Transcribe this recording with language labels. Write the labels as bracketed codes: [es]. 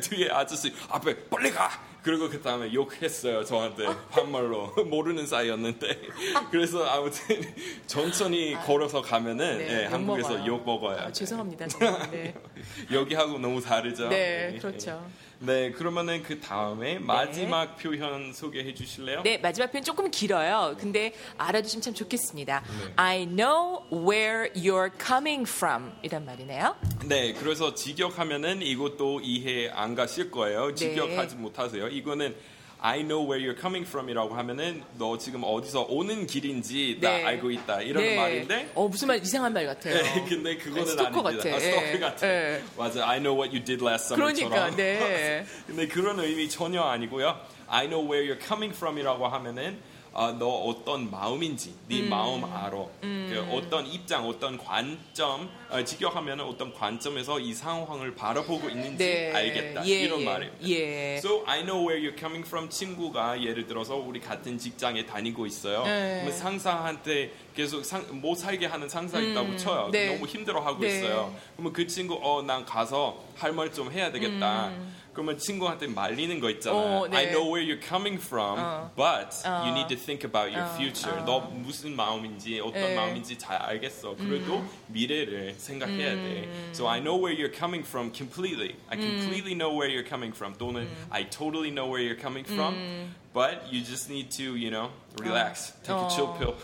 [ko] 뒤에 아저씨 앞에 빨리 가 그리고 그 다음에 욕했어요 저한테 반말로 모르는 사이였는데 그래서 아무튼 천천히 걸어서 가면은 네, 네, 욕 한국에서 먹어요. 욕 먹어요. 아, 죄송합니다. 네. 여기하고 너무 다르죠. 네, 그렇죠. 네, 그러면은 그 다음에 마지막 네. 표현 소개해 주실래요? 네, 마지막 표현 조금 길어요. 근데 알아두시면 참 좋겠습니다. 네. [en] I know where you're coming from [ko] 이란 말이네요. 네, 그래서 직역하면은 이것도 이해 안 가실 거예요. 직역하지 네. 못하세요. 이거는 [en] I know where you're coming from [ko] 이라고 하면은 너 지금 어디서 오는 길인지 나 네. 알고 있다 이런 네. 말인데 무슨 말 이상한 말 같아요. 네, 근데 그거는 아니, 스토커 아닙니다. 같아. 아, 스토커 같아. 네. 맞아. [en] I know what you did last summer. [ko] 그러니까 네. 근데 그런 의미 전혀 아니고요. [en] I know where you're coming from [ko] 이라고 하면은 너 어떤 마음인지 네 마음 알아. 그 어떤 입장 어떤 관점 직역하면 어떤 관점에서 이 상황을 바라보고 있는지 네. 알겠다. 예, 이런 예. 말입니다. 예. [en] So I know where you're coming from. [ko] 친구가 예를 들어서 우리 같은 직장에 다니고 있어요. 네. 상사한테 계속 못 살게 하는 상사 있다고 쳐요. 네. 너무 힘들어하고 네. 있어요. 그러면 그 친구 난 가서 할 말 좀 해야 되겠다. 그러면 친구한테 말리는 거 있잖아요. 네. [en] I know where you're coming from, but you need to think about your future. [ko] 너 무슨 마음인지, 어떤 네. 마음인지 잘 알겠어. 그래도 미래를 생각해야 돼. [en] So I know where you're coming from completely. I completely know where you're coming from. 또는 I totally know where you're coming from. But you just need to, you know, relax. Take a chill pill.